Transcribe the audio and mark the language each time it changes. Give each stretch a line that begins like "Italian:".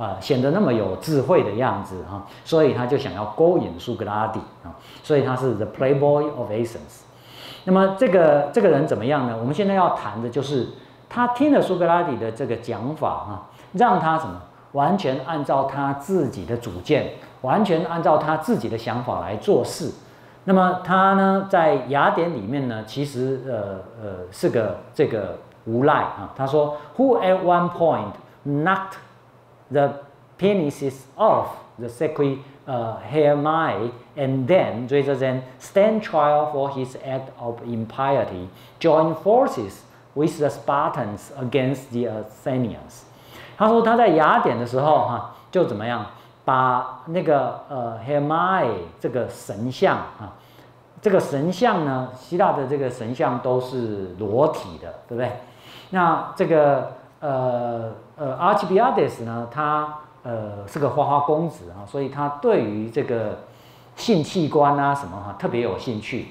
Chinese: 显得那么有智慧的样子、啊、所以他就想要勾引苏格拉底、啊、所以他是
English: The Playboy of Athens。
Chinese: 那么这个人怎么样呢？我们现在要谈的就是他听了苏格拉底的这个讲法、啊、让他什么完全按照他自己的主见，完全按照他自己的想法来做事。那么他呢在雅典里面呢其实是个这个无赖、啊、他说
English: Who at one point knocked the penises of the sacred Hermae and then rather than stand trial for his act of impiety join forces with the Spartans against the Athenians。
Chinese: 他说他在雅典的时候、啊、就怎么样把那个Hermae 这个神像、啊、这个神像呢，希腊的这个神像都是裸体的，对不对？那这个Archibiades 呢，他是个花花公子啊，所以他对于这个性器官啊什么哈、啊、特别有兴趣。